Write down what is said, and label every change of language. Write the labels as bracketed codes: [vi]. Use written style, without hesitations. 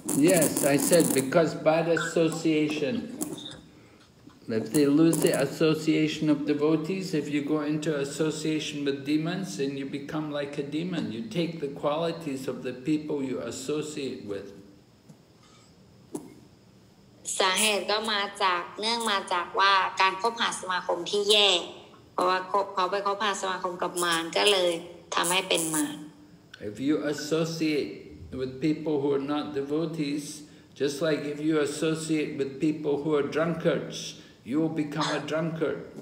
[en] yes I said because bad association if they lose the association of devotees if you go into association with demons then you become like a demon you take the qualities of the people you associate with [th] สาเหตุก็มาจากเนื่องมาจากว่าการคบหาสมาคมที่แย่เพราะว่าเขาไปคบหาสมาคมกับมารก็เลยทำให้เป็นมาร [en] If you associate with people who are not devotees, just like if you associate with people who are drunkards, you will become a drunkard.